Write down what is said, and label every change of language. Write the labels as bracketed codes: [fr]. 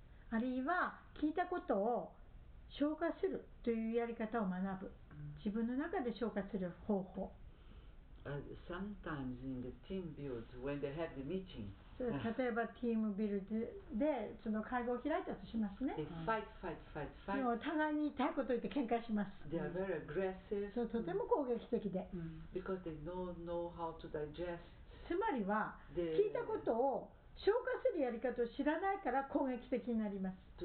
[ja] あるいは聞いたことを消化するというやり方を学ぶ、自分の中で消化する方法、 [en] Sometimes in the team build when they have the meeting. [ja] 例えばチームビルでその会合を開いたとしますね。お互いに言いたいことを言って喧嘩します。 [en] They are very aggressive. [ja] そう、とても攻撃的で。 [en] Because they don't know how to digest. [ja] つまりは聞いたことを消化するやり方を知らないから攻撃的になります。